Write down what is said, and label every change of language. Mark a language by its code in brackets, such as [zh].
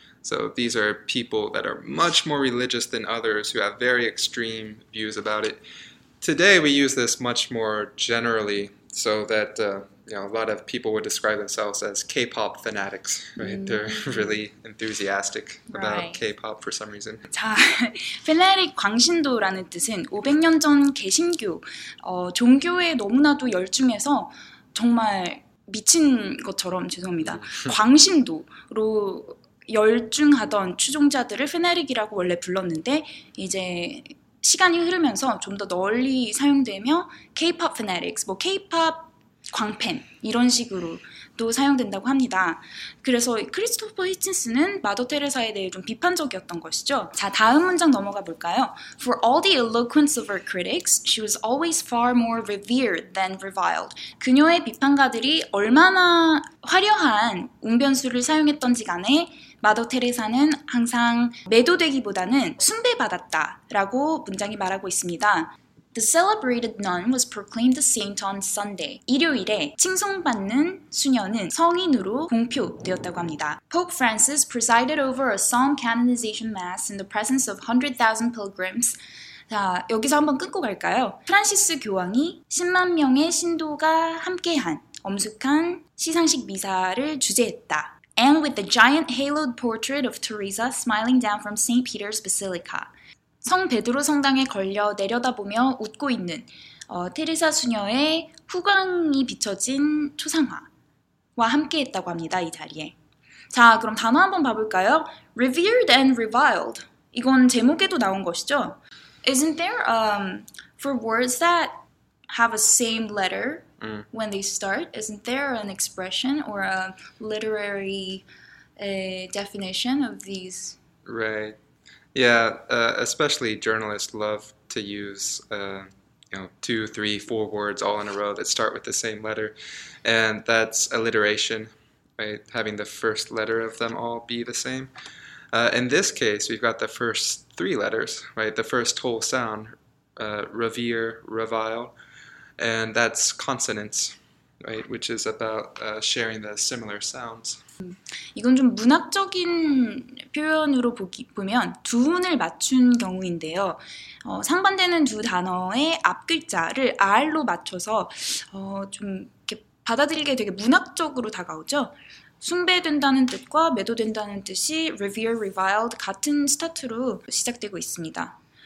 [en] So these are people that are much more religious than others who have very extreme views about it. Today we use this much more generally so that... You know, a lot of people would describe themselves as K-pop fanatics, right? They're really enthusiastic about K-pop for some reason. [ko] 자, fanatic 광신도라는 뜻은 500년 전 개신교, 종교에 너무나도 열중해서 정말 미친 것처럼 죄송합니다. 광신도로 열중하던 추종자들을 fanatic이라고 원래 불렀는데 이제 시간이 흐르면서 좀 더 널리 사용되며 [en] K-pop fanatics, [ko] 뭐 K-pop 광팬 이런 식으로도 사용된다고 합니다. 그래서 크리스토퍼 히친스는 마더 테레사에 대해 좀 비판적이었던 것이죠. 자, 다음 문장 넘어가 볼까요? [en] For all the eloquence of her critics, she was always far more revered than reviled. [ko] 그녀의 비판가들이 얼마나 화려한 웅변수를 사용했던지 간에 마더 테레사는 항상 매도되기보다는 숭배받았다라고 문장이 말하고 있습니다. [en] The celebrated nun was proclaimed a saint on Sunday. [ko] 일요일에 칭송받는 수녀는 성인으로 공표되었다고 합니다. [en] Pope Francis presided over a solemn canonization mass in the presence of 100,000 pilgrims. [ko] 자, 여기서 한번 끊고 갈까요? 프란시스 교황이 10만 명의 신도가 함께한 엄숙한 시상식 미사를 주재했다. [en] And with the giant haloed portrait of Teresa smiling down from St. Peter's Basilica. [ko] 성 베드로 성당에 걸려 내려다보며 웃고 있는 테레사 수녀의 후광이 비춰진 초상화와 함께했다고 합니다, 이 자리에. 자, 그럼 단어 한번 봐볼까요? [en] Revered and reviled. [ko] 이건 제목에도 나온 것이죠? [en] Isn't there, for words that have a same letter when they start, isn't there an expression or a literary definition of these? Right. Yeah, especially journalists love to use, two, three, four words all in a row that start with the same letter. And that's alliteration, right? Having the first letter of them all be the same. In this case, we've got the first three letters, right? The first whole sound, revere, revile. And that's consonants, right? Which is about sharing the similar sounds. [ko] 이건 좀 문학적인 표현으로 보면 두 운을 맞춘 경우인데요. 상반되는 두 단어의 앞글자를 R로 맞춰서 좀 이렇게 받아들이게 되게 문학적으로 다가오죠. 숭배된다는 뜻과 매도된다는 뜻이 [en] revere, reviled [ko] 같은 스타트로 시작되고 있습니다.